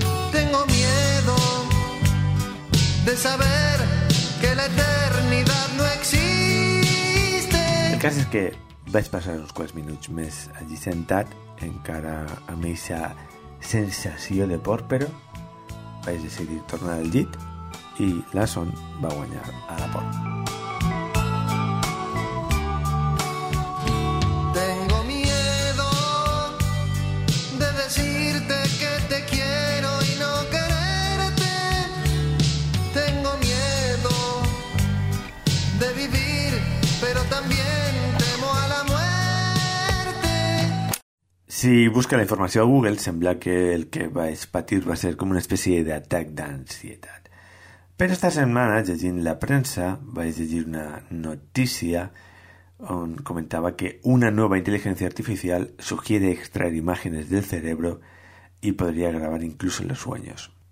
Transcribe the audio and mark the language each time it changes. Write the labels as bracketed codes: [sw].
[es] Tengo miedo de saber que la eternidad no existe. [ca] El cas és que vaig passar uns quants minuts més allí sentat, encara amb aquesta sensació de por, però vaig decidir tornar al llit i la son va guanyar a la por. [es] Tengo miedo de decirte que te quiero y no quererte. Tengo miedo de vivir, pero también temo a la muerte. [ca] Si busca la informació a Google, sembla que el que vaig patir va ser com una espècie d'atac d'ansietat. Però esta setmana, llegint la premsa, vaig llegir una notícia on comentava que una nova intel·ligència artificial [es] sugiere extraer imágenes del cerebro [ca] i podria gravar [es] incluso los sueños.